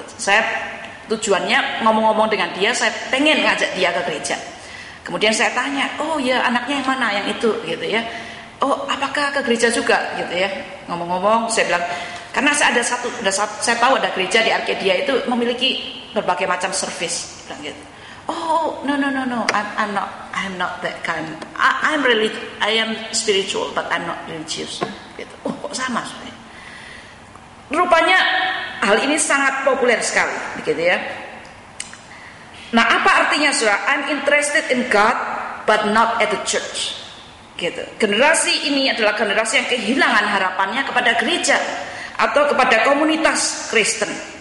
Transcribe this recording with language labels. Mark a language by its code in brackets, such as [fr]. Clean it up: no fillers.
[id] Saya tujuannya ngomong-ngomong dengan dia, saya pengen ngajak dia ke gereja. Kemudian saya tanya, oh ya anaknya yang mana yang itu gitu ya. Oh apakah ke gereja juga gitu ya. Ngomong-ngomong saya bilang, karena saya ada satu, saya tahu ada gereja di Arcadia itu memiliki berbagai macam service. Bilang gitu. [en] Oh no no no no, I'm not that kind. I am spiritual but I'm not religious. [id] Gitu. Oh kok sama sebenarnya. Rupanya hal ini sangat populer sekali gitu ya. Nah apa artinya surah, [en] I'm interested in God but not at the church gitu. [id] Generasi ini adalah generasi yang kehilangan harapannya kepada gereja atau kepada komunitas Kristen.